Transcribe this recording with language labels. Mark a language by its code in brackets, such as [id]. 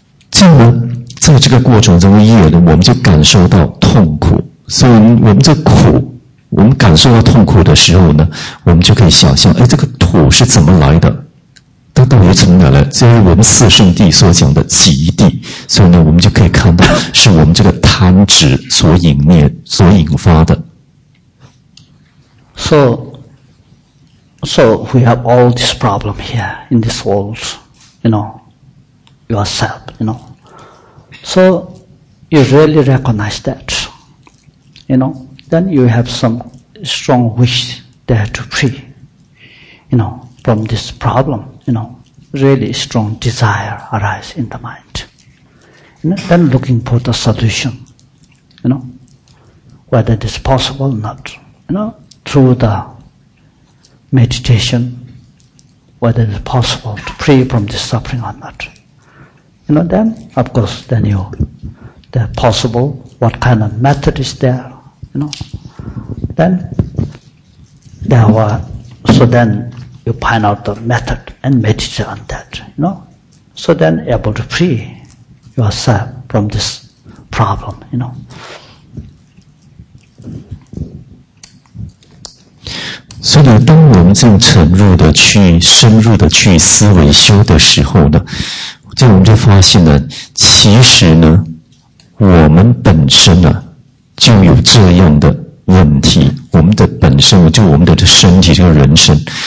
[zh] 这样呢，在这个过程中业呢，我们就感受到痛苦，所以我们这苦，我们感受到痛苦的时候呢，我们就可以想象，哎，这个土是怎么来的？它到底从哪来？这是我们四圣地所讲的极地，所以呢，我们就可以看到是我们这个贪执所引灭、所引发的。 [en] So we have all this problem here in this world, you know, yourself, you know. So you really recognize that, you know. Then you have some strong wish there to free, you know, from this problem, you know, really strong desire arise in the mind. And then looking for the solution, you know, whether it is possible or not, you know, through the meditation, whether it is possible to free from this suffering or not. You know, then, of course, then you, the possible, what kind of method is there,You know, then there were, so then you find out the method and meditate on that, you know. So then able to free yourself from this problem, you know. [zh] 所以当我们这样沉入的去深入的去思维修的时候呢，这我们就发现呢，其实呢，我们本身呢、啊就有这样的问题，我们的本身，就我们的身体，这个人生。